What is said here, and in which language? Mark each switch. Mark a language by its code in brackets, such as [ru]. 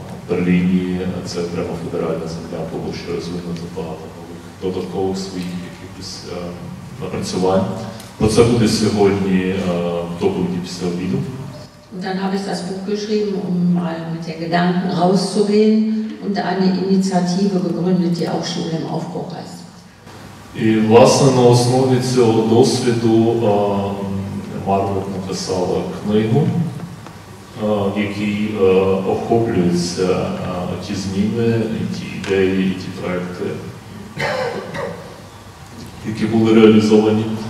[uk] Берліні це прямо федеральна земля, було ще розвинуто багато нових додаткових своїх якихось напрацювань. Про це буде сьогодні в доповіді після обіду. [de] Und dann habe ich das Buch geschrieben, um mal mit den Gedanken rauszugehen und eine Initiative gegründet, die auch Schule im Aufbruch heißt. [uk] І, власне, на основі цього досвіду Маргарет написала книгу, який охоплюється ті зміни, ті ідеї, ті проекти, які були реалізовані.